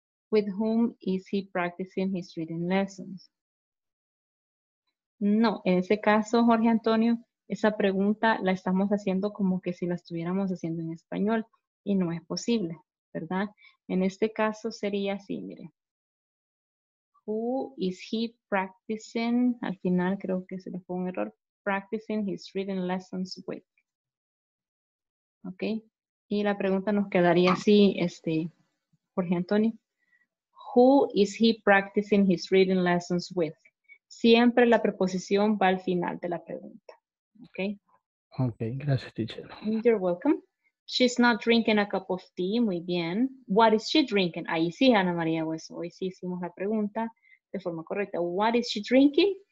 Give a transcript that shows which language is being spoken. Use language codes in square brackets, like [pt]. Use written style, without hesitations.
[en] With whom is he practicing his reading lessons? [es] No, en ese caso, Jorge Antonio, esa pregunta la estamos haciendo como que si la estuviéramos haciendo en español y no es posible, ¿verdad? En este caso sería así, mire. [en] Who is he practicing? [es] Al final creo que se le fue un error. [en] Practicing his reading lessons with. [es] ¿Ok? Y la pregunta nos quedaría así, Jorge Antonio. [en] Who is he practicing his reading lessons with? [es] Siempre la preposición va al final de la pregunta. ¿Ok? Ok, gracias, teacher. [en] You're welcome. She's not drinking a cup of tea. [es] Muy bien. [en] What is she drinking? [es] Ahí sí, Ana María Hueso. Hoy sí hicimos la pregunta de forma correcta. [en] What is she drinking?